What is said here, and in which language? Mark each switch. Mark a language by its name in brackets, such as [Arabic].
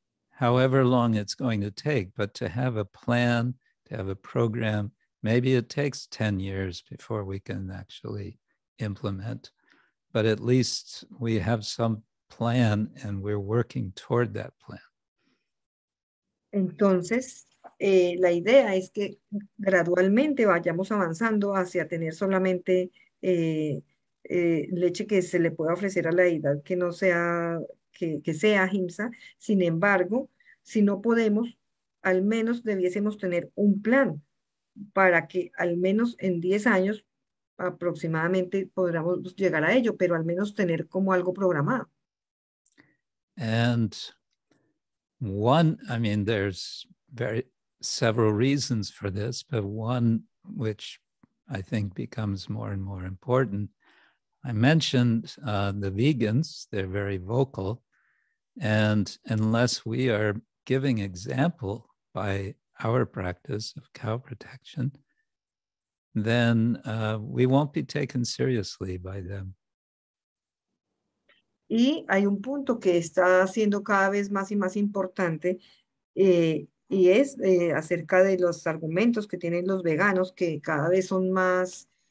[English] however long it's going to take, but to have a plan, to have a program, maybe it takes 10 years before we can actually implement, but at least we have some plan and we're working toward that plan. [Spanish] Entonces, la idea es que gradualmente vayamos avanzando hacia tener solamente leche que se le pueda ofrecer a la deidad, que no sea, que sea ahimsa. Sin embargo, si no podemos, al menos debiésemos tener un plan para que al menos en 10 años aproximadamente podamos llegar a ello, pero al menos tener como algo programado. [English] And one, I mean, there's very several reasons for this, but one which I think becomes more and more important. I mentioned the vegans, they're very vocal. And unless we are giving example by our practice of cow protection, then we won't be taken seriously by them. [Spanish] Y hay un punto que está siendo cada vez más y más importante, y es acerca de los argumentos que tienen los veganos, que cada vez son más